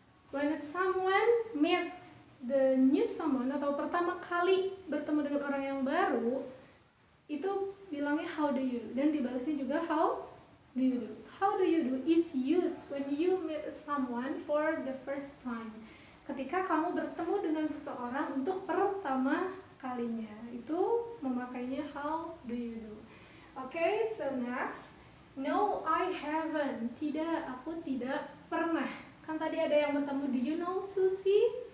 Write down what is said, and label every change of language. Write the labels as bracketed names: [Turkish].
[English] When someone meet the new someone [Indonesian] atau pertama kali bertemu dengan orang yang baru, itu bilangnya [English] how do you do, [Indonesian] dan dibalasnya juga [English] how do you do. How do you do is used when you meet someone for the first time. [Indonesian] Ketika kamu bertemu dengan seseorang untuk pertama kalinya, itu memakainya [English] how do you do. Okay, so next. No, I haven't. [Indonesian] Tidak, aku tidak pernah. Kan tadi ada yang bertemu, [English] do you know Susie?